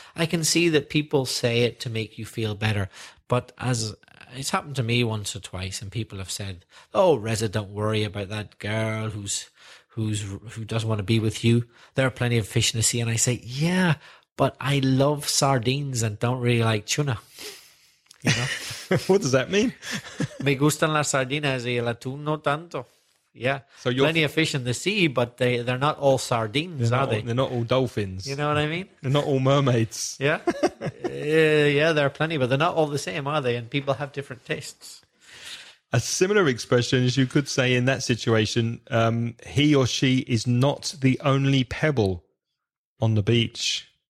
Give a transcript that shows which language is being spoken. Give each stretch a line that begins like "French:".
English: I can see that people say it to make you feel better. But as it's happened to me once or twice, and people have said, oh, Reza, don't worry about that girl who doesn't want to be with you. There are plenty of fish in the sea. And I say, yeah, but I love sardines and don't really like tuna. You know? What does that mean?
Spanish: Me gustan las sardinas y el atún no tanto.
English: Yeah, so plenty of fish in the sea, but they're not all sardines, are they? They're not all dolphins. You know what I mean? They're not all mermaids. Yeah, yeah, there are plenty, but they're not all the same, are they? And people have different tastes. A similar expression is you could say in that situation, he or she is not the only pebble on the beach.